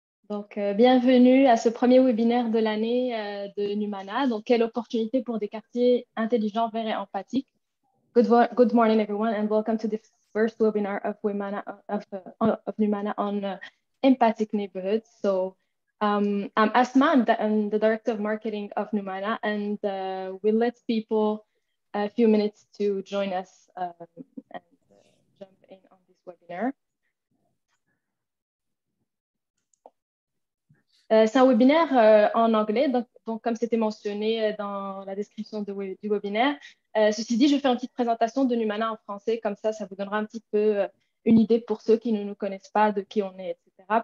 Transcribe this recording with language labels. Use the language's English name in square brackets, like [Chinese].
[French] Donc, bienvenue à ce premier webinaire de l'année de Numana. Donc, quelle opportunité pour des quartiers intelligents, verts et empathiques. [English] Good morning, everyone, and welcome to the first webinar of Numana on empathic neighborhoods. So, I'm Asma, I'm the director of marketing of Numana, and we'll let people a few minutes to join us and jump in on this webinar. [French] C'est un webinaire en anglais, donc comme c'était mentionné dans la description du webinaire. Ceci dit, je vais faire une petite présentation de Numana en français, comme ça, ça vous donnera un petit peu une idée pour ceux qui ne nous connaissent pas, de qui on est, etc.